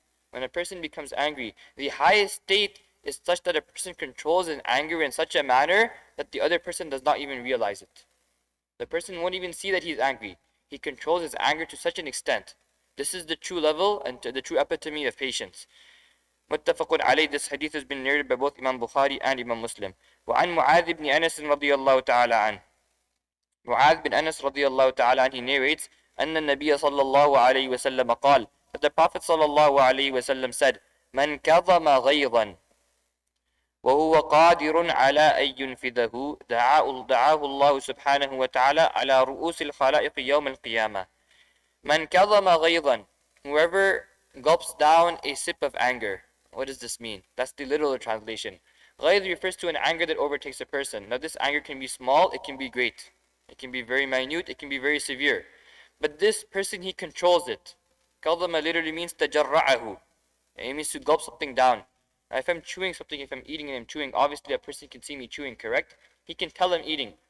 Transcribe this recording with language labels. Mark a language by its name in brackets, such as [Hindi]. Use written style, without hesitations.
[English] When a person becomes angry, the highest state is such that a person controls his anger in such a manner that the other person does not even realize it. The person won't even see that he's angry. He controls his anger to such an extent. This is the true level and the true epitome of patience. Muttafaqun alayh, this hadith has been narrated by both Imam Bukhari and Imam Muslim. [Arabic] وعن معاذ بن أنس رضي الله تعالى عنه معاذ بن أنس رضي الله تعالى عنه [English] he narrates [Arabic] أن النبي صلى الله عليه وسلم قال [English] that the Prophet [Arabic] صلى الله عليه وسلم [English] said [Arabic] من كظم غيظا وهو قادر على أن ينفذه دعاه الله سبحانه وتعالى على رؤوس الخلائق يوم القيامة من كظم غيظا [English] whoever gulps down a sip of anger. What does this mean? That's the literal translation. Ghayz refers to an anger that overtakes a person. Now this anger can be small, it can be great. It can be very minute, it can be very severe. But this person, he controls it. Kalzama literally means tajarra'ahu. It means to gulp something down. Now if I'm chewing something, if I'm eating and I'm chewing, obviously a person can see me chewing, correct? He can tell I'm eating.